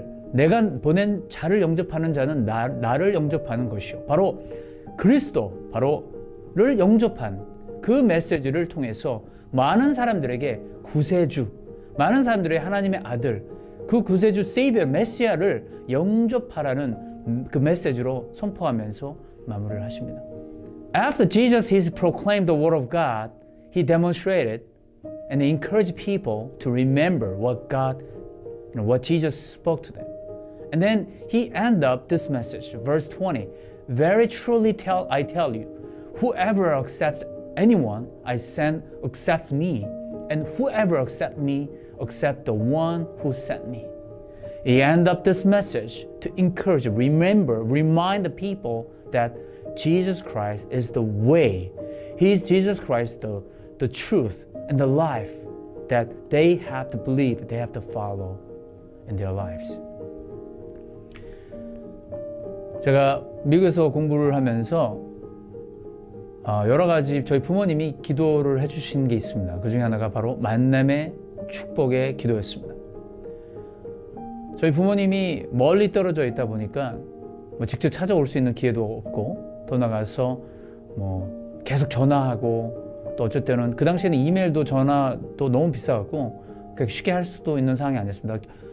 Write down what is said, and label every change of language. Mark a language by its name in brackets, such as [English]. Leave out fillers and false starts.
[Korean] 내가 보낸 자를 영접하는 자는 나를 영접하는 것이요 바로 그리스도, 바로를 영접한 그 메시지를 통해서 많은 사람들에게 구세주, 많은 사람들의 하나님의 아들, 그 구세주 세이비어 메시아를 영접하라는 그 메시지로 선포하면서 마무리를 하십니다. [English] After Jesus has proclaimed the word of God, he demonstrated and encouraged people to remember what God, you know, what Jesus spoke to them. And then he ended up this message, verse 20. Very truly I tell you, whoever accepts anyone I send accepts me, and whoever accepts me accepts the one who sent me. He ended up this message to encourage, remember, remind the people that Jesus Christ is the way. He is Jesus Christ, the truth and the life that they have to believe, they have to follow in their lives. [Korean] 제가 미국에서 공부를 하면서 여러 가지 저희 부모님이 기도를 해주신 게 있습니다. 그 중에 하나가 바로 만남의 축복의 기도였습니다. 저희 부모님이 멀리 떨어져 있다 보니까 뭐 직접 찾아올 수 있는 기회도 없고 더 나가서 뭐 계속 전화하고 또 어쩔 때는 그 당시에는 이메일도 전화도 너무 비싸갖고 그렇게 쉽게 할 수도 있는 상황이 아니었습니다.